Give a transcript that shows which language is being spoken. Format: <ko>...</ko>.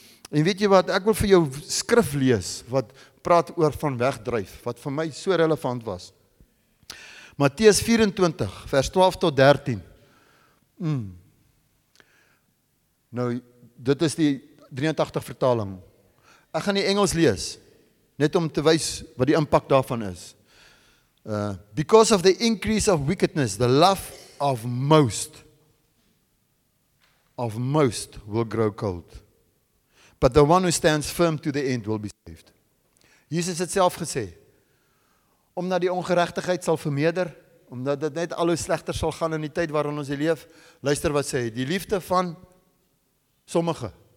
<af>En weet jy wat, ek wil vir jou skrif lees wat praat oor van wegdryf, wat vir my so relevant was. Matteus 24 vers 12 tot 13. Nou dit is die 83 vertaling. Ek gaan die Engels lees net om te wys wat die impak daarvan is.</af> <en>Because of the increase of wickedness, the love of most will grow cold. But the one who stands firm to the end will be saved.</en> <af>Jesus het self gesê, omdat die ongeregtigheid sal vermeerder, omdat dit net al hoe slegter sal gaan in die tyd waarin ons leef, luister wat sê, die liefde van sommige.</af>